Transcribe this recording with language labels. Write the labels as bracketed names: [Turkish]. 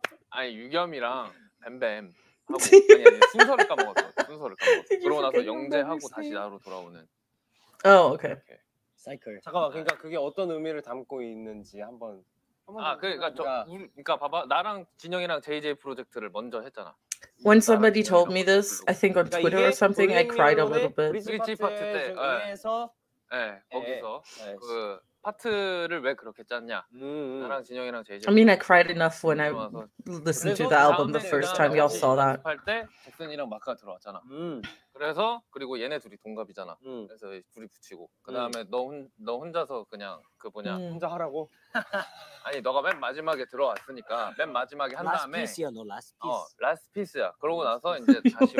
[Korean] 아니 유겸이랑 뱀뱀 하고 아니 순서를 까먹었어. 그러고 나서 영재하고 다시 나로 돌아오는. 오, 오케이. 사이클. 잠깐만, 그러니까 그게 어떤 의미를 담고 있는지 한번. 아, 그러니까 저, 그러니까 봐봐, 나랑 진영이랑 JJ 프로젝트를 먼저 했잖아. [English] When somebody told me this, I think on Twitter or something, I cried a little bit. [Korean] 브릿지 파트 때, 네, 거기서 그 파트를 왜 그렇게 짰냐? 나랑 진영이랑 JJ. [English] I mean, I cried enough when I listened to the album the first time y'all saw that. [Korean] 할 때 잭슨이랑 마크가 들어왔잖아. 그래서 그리고 얘네 둘이 동갑이잖아. 그래서 둘이 붙이고 그다음에 너 혼자서 그냥 그 뭐냐? 혼자 하라고? 아니, 너가 맨 마지막에 들어왔으니까 맨 마지막에 한 다음에 [English] last piece [Korean] 야, 너 last piece. 어, [English] last piece [Korean] 야. 그러고 나서 이제 다시